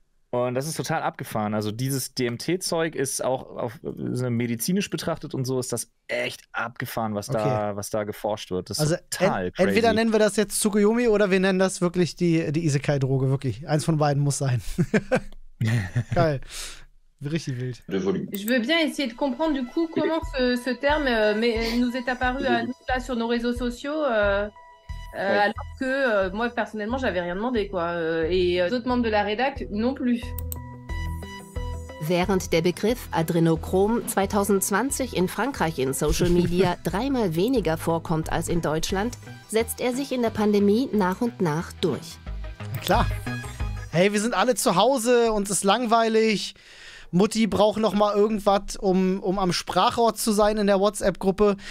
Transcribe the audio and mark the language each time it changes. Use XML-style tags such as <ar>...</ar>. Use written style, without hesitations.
<de>Und das ist total abgefahren. Also dieses DMT-Zeug ist auch medizinisch betrachtet und so, ist das echt abgefahren, was da geforscht wird. Das ist also total crazy. Entweder nennen wir das jetzt Tsukuyomi oder wir nennen das wirklich die Isekai-Droge, wirklich. Eins von beiden muss sein. Geil. Richtig wild.</de> <fr>Je veux bien essayer de comprendre du coup comment ce terme nous est apparu à nous là sur nos réseaux sociaux alors que moi personnellement j'avais rien demandé quoi et d'autres membres de la rédac non plus.</fr> <de>Während der Begriff Adrenochrom 2020 in Frankreich in Social Media dreimal weniger vorkommt als in Deutschland, setzt er sich in der Pandemie nach und nach durch. Klar. Hey, wir sind alle zu Hause, uns ist langweilig. Mutti braucht noch mal irgendwas, um am Sprachrohr zu sein in der WhatsApp-Gruppe.</de>